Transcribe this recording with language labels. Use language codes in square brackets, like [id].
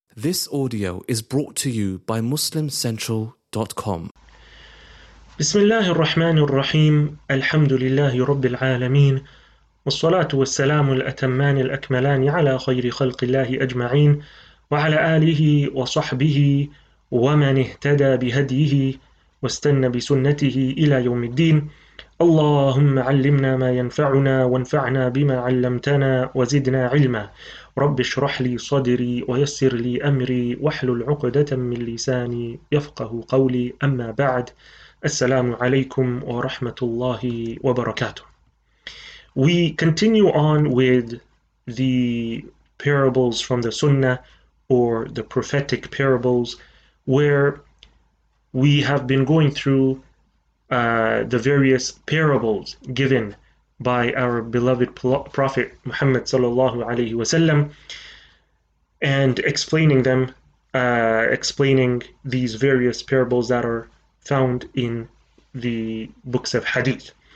[en] This audio is brought to you by MuslimCentral.com. [ar] بسم الله الرحمن الرحيم الحمد لله رب العالمين والصلاة والسلام الأتمان الأكملان على خير خلق الله أجمعين وعلى آله وصحبه ومن اهتدى بهديه واستنى بسنته إلى يوم الدين. اللهم علمنا ما ينفعنا وانفعنا بما علمتنا وزدنا علما. رب اشرح لي صدري ويسر لي أمري واحلل عقدة من لساني يفقه قولي. أما بعد, السلام عليكم ورحمة الله وبركاته. [en] We continue on with the parables from the Sunnah or the prophetic parables, where we have been going through the various parables given by our beloved Prophet Muhammad sallallahu alaihi wasallam, and explaining them, explaining these various parables that are found in the books of Hadith.